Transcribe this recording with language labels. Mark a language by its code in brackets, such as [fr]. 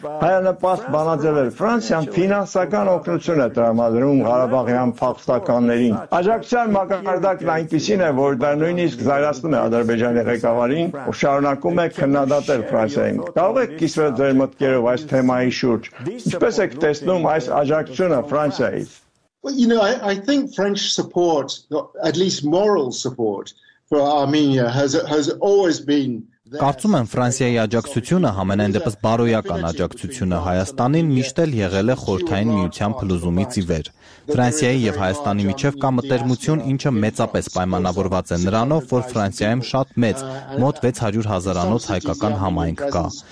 [hy] հայանպաստ բանաձևեր։ Ֆրանսիան ֆինանսական օգնություն է տրամադրում Ղարաբաղյան փախստականներին։ Աջակցության մակարդակն այնպիսին է, որ դա նույնիսկ զայրացնում է Ադրբեջանի ղեկավարին, ու շարունակում է քննադատել Ֆրանսիային։ Կարող եք կիսվել ձեր մտքերով այս թեմայի շուրջ։ Ինչպես եք տեսնում այս աջակցությունը Ֆրանսիայից? [en] Well, you know, I think French support, at least moral support for Armenia has always been. [hy] Կարծում եմ Ֆրանսիայի աջակցությունը համենայն դեպս բարոյական աջակցությունը Հայաստանին միշտ էլ եղել է խորհրդային միության փլուզումից ի վեր։ Ֆրանսիայի եւ Հայաստանի միջև կա մտերմություն, ինչը մեծապես պայմանավորված է նրանով, որ Ֆրանսիայում շատ մեծ, մոտ 600 հազարանոց հայկական համայնք կա։